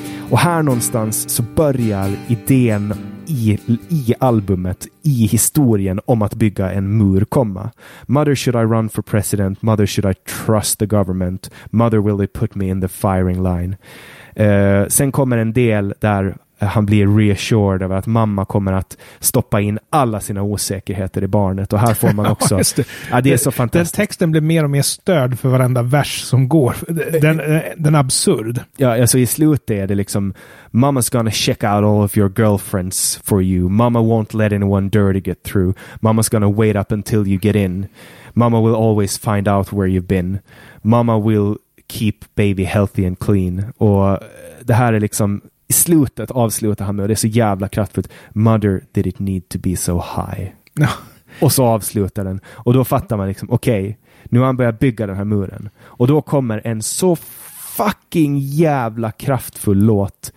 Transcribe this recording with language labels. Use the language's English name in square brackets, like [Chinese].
[Swedish] Och här någonstans så börjar idén i albumet, i historien om att bygga en mur komma. [English] Mother, should I run for president? Mother, should I trust the government? Mother, will they put me in the firing line? [Swedish] Sen kommer en del där han blir reassured av att mamma kommer att stoppa in alla sina osäkerheter i barnet. Och här får man också... det är så fantastiskt. Den texten blir mer och mer stöd för varenda vers som går. Den är absurd. Ja, alltså i slutet är det liksom... [English] Mama's gonna check out all of your girlfriends for you. Mama won't let anyone dirty get through. Mama's gonna wait up until you get in. Mama will always find out where you've been. Mama will keep baby healthy and clean. [Swedish] Och det här är liksom... I slutet avslutar han med, och det är så jävla kraftfullt, [English] Mother, did it need to be so high? [Swedish] Och så avslutar den. Och då fattar man liksom, okej, nu har han börjat bygga den här muren. Och då kommer en så fucking jävla kraftfull låt.